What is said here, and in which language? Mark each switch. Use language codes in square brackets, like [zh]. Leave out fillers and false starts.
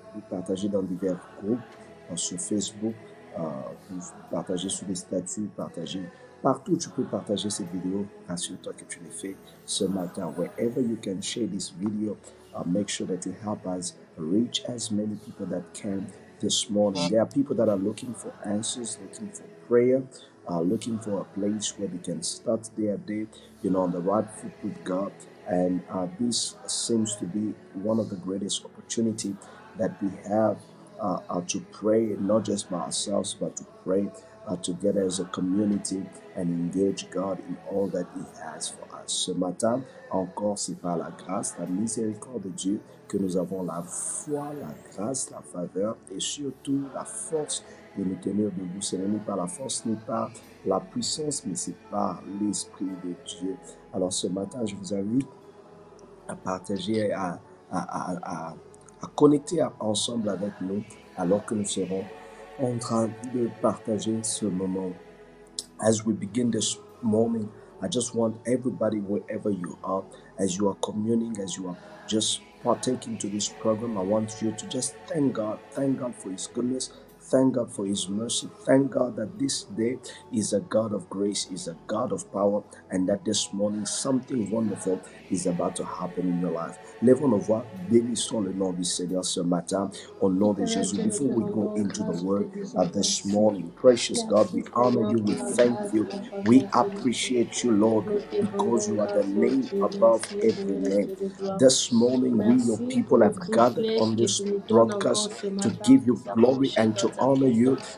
[fr] Partager dans divers groupes, sur Facebook, partager sur les statuts, partager partout tu peux partager cette vidéo. Assure-toi que tu l'as fait ce matin. [en] Wherever you can share this video, make sure that you help us reach as many people that can this morning. There are people that are looking for answers, looking for prayer, looking for a place where they can start their day, you know, on the right foot with God. And this seems to be one of the greatest opportunity that we have to pray, not just by ourselves, but to pray together as a community and engage God in all that He has for us. [fr] Ce matin, encore, c'est par la grâce, la miséricorde de Dieu, que nous avons la foi, la grâce, la faveur et surtout la force de nous tenir debout. Ce n'est ni par la force, ni par la puissance, mais c'est par l'Esprit de Dieu. Alors ce matin, je vous invite à partager, à connecter ensemble avec nous, alors que nous serons en train de partager ce moment. [en] As we begin this morning, I just want everybody, wherever you are, as you are communing, as you are just partaking to this program, I want you to just thank God for His goodness, thank God for His mercy, thank God that this day is a God of grace, is a God of power, and that this morning something wonderful is about to happen in your life. [fr] Lève nos voix, bénissons le nom du Seigneur ce matin, au nom de Jésus. [en] Before we go into the word this morning, precious God, we honor you, we thank you, we appreciate you, Lord, because you are the name above every name. This morning, we, your people, have gathered on this broadcast to give you glory and to honor you.